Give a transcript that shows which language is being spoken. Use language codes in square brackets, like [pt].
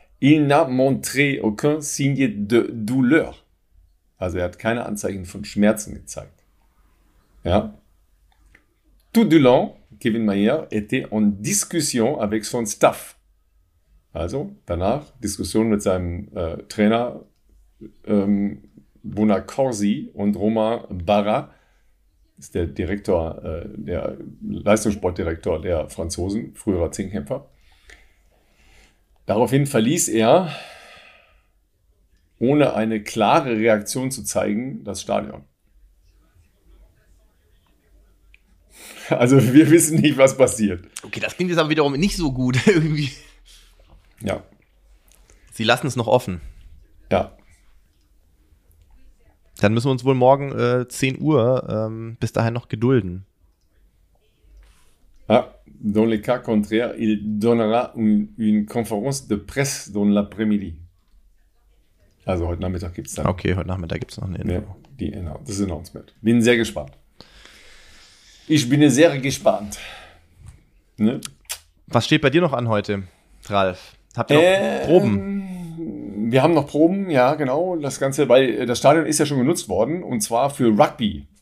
[fr] Il n'a montré aucun signe de douleur. [de] Also er hat keine Anzeichen von Schmerzen gezeigt. Ja. [fr] Tout du long, Kevin Maillet était en discussion avec son staff. [de] Also danach Diskussion mit seinem Trainer Bonacorsi und Romain Barra, ist der Direktor, der Leistungssportdirektor der Franzosen, früherer Zehnkämpfer. Daraufhin verließ er, ohne eine klare Reaktion zu zeigen, das Stadion. Also wir wissen nicht, was passiert. Okay, das klingt jetzt aber wiederum nicht so gut irgendwie. Ja. Sie lassen es noch offen. Ja. Dann müssen wir uns wohl morgen 10 Uhr bis dahin noch gedulden. [fr] Ah, dans le cas contraire, il donnera une conférence de presse dans l'après-midi. [de] Also heute Nachmittag gibt es dann. Okay, heute Nachmittag gibt es noch eine Info. Ja, die Info, das Announcement. Bin sehr gespannt. Ich bin sehr gespannt. Ne? Was steht bei dir noch an heute, Ralf? Habt ihr noch Proben? Wir haben noch Proben, ja, genau. Das Ganze, weil das Stadion ist ja schon genutzt worden und zwar für Rugby.